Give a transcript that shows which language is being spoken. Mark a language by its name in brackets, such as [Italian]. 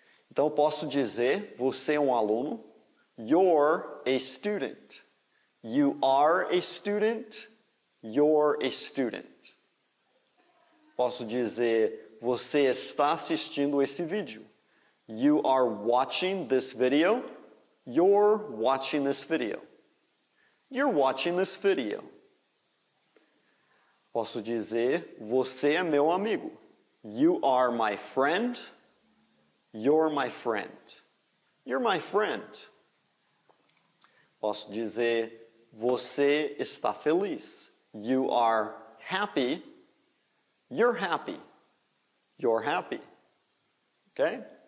[Portuguese] Então, eu posso dizer, você é um aluno. [English] You're a student. You are a student. You're a student. [Portuguese] Posso dizer, você está assistindo esse vídeo. [English] You are watching this video. You're watching this video. You're watching this video. [Portuguese] Posso dizer, você é meu amigo. [English] You are my friend. You're my friend. You're my friend. [Portuguese] Posso dizer, você está feliz. [English] You are happy. You're happy. You're happy. Ok?